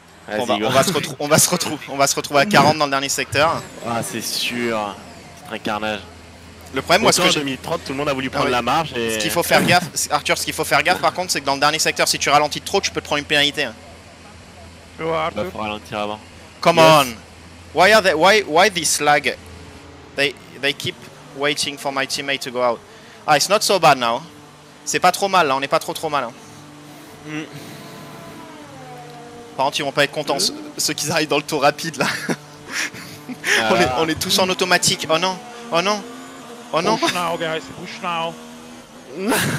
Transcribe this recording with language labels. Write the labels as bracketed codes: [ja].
[fr] Hein. Vas-y, on va, on va se retrouver à 40 dans le dernier secteur. Ah c'est sûr, c'est un carnage. Le problème moi c'est que en 2030 tout le monde a voulu prendre la marge. Et... ce qu'il faut faire gaffe, Arthur, ce qu'il faut faire gaffe par contre c'est que dans le dernier secteur si tu ralentis trop tu peux te prendre une pénalité. Hein. Bah, faut ralentir avant. [en] Come on, why are they, why this lag? They keep waiting for my teammate to go out. Ah, it's not so bad now. [fr] C'est pas trop mal, là. On n'est pas trop mal. Hein. Mm. Par contre, ils vont pas être contents, ceux qui arrivent dans le tour rapide, là. on est tous en automatique. Oh non. Oh non. Oh non. [en] Push now, guys. Push now.